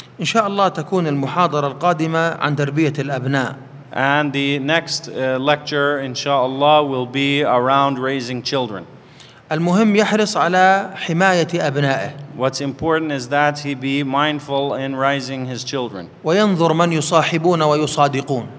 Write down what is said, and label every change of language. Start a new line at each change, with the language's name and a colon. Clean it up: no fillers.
Arabic: إن شاء الله تكون المحاضرة القادمة عن تربية الأبناء.
English: And the next lecture, inshallah, will be around raising children.
Arabic: المهم يحرص على حماية أبنائه.
English: What's important is that he be mindful in raising his children.
Arabic: وينظر من يصاحبون ويصادقون.